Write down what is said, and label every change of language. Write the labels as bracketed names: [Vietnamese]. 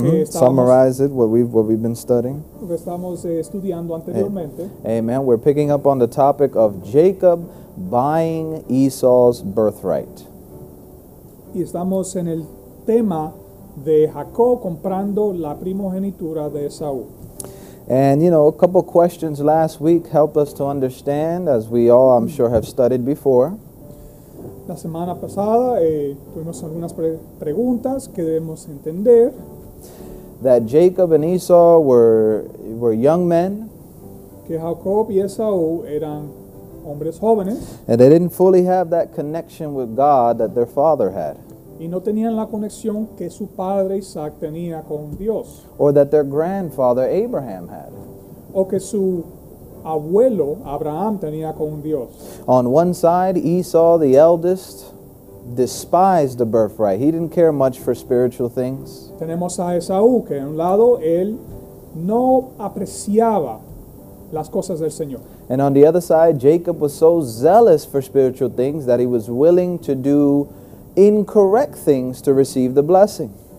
[English] Summarize what we've been studying. [Spanish] Lo que estamos estudiando anteriormente. [English] Amen. We're picking up on the topic of Jacob buying Esau's birthright. [Spanish] Y estamos en el tema de Jacob comprando la primogenitura de Esau. [English] And you know, a couple questions last week helped us to understand, as we all, I'm sure, have studied before. [Spanish] La semana pasada tuvimos algunas preguntas que debemos entender. [English] That Jacob and Esau were young men. [Spanish] Que Jacob y Esau eran hombres jóvenes. [English] And they didn't fully have that connection with God that their father had. [Spanish] Y no tenían la conexión que su padre Isaac tenía con Dios. [English] Or that their grandfather Abraham had. [Spanish] O que su abuelo Abraham tenía con Dios. [English] On one side, Esau, the eldest, despised the birthright. He didn't care much for spiritual things. [Spanish] Tenemos a Esaú, que en un lado, él no apreciaba las cosas del Señor. [English] And on the other side, Jacob was so zealous for spiritual things that he was willing to do incorrect things to receive the blessing.